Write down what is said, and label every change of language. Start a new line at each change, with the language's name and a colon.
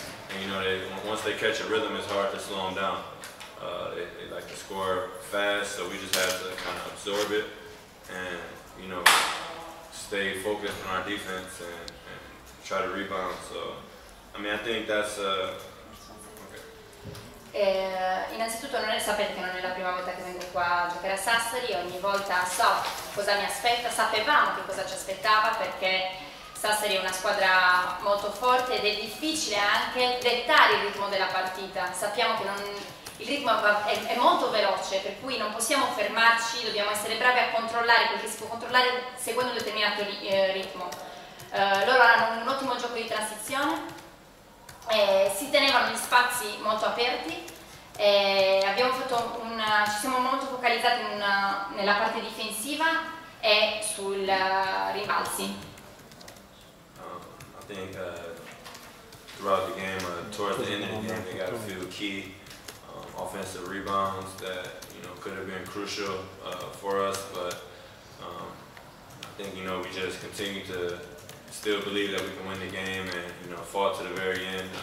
English: And you know, once they catch a rhythm, it's hard to slow them down. They like to score fast, so we just have to kind of absorb it and, you know, stay focused on our defense and try to rebound. So, I mean, I think that's a
Italian: Innanzitutto non è, sapete che non è la prima volta che vengo qua a giocare a Sassari, ogni volta so cosa mi aspetta, sapevamo che cosa ci aspettava, perché Sassari è una squadra molto forte ed è difficile anche dettare il ritmo della partita. Sappiamo che il ritmo è molto veloce, per cui non possiamo fermarci, dobbiamo essere bravi a controllare quel che si può controllare seguendo un determinato ritmo. Loro hanno un ottimo gioco di transizione. Si tenevano gli spazi molto aperti, ci siamo molto focalizzati nella parte difensiva e sul rimbalzi.
English: I think throughout the game, towards the end of the game, they got a few key offensive rebounds that, you know, could have been crucial for us, but I think, you know, we just continue to still believe that we can win the game, and, you know, fought to the very end.